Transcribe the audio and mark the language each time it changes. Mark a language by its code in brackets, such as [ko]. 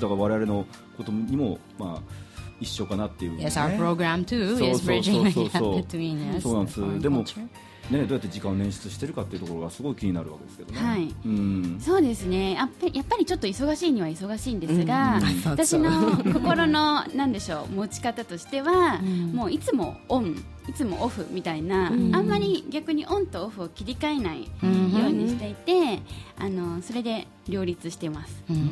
[ja] だから我々のことにも、まあ、一緒かなっていう、ね。 [en] Yes, our program too is bridging the gap between us. [ja] そうなんです。でも。ね、どうやって時間を捻出してるかっていうところがすごい気になるわけですけどね、はい、そうですね、やっぱりちょっと忙しいには忙しいんですが、私の心の何でしょう持ち方としては、もういつもオンいつもオフみたいな、うん、あんまり逆にオンとオフを切り替えないようにしていて、うん、あのそれで両立しています。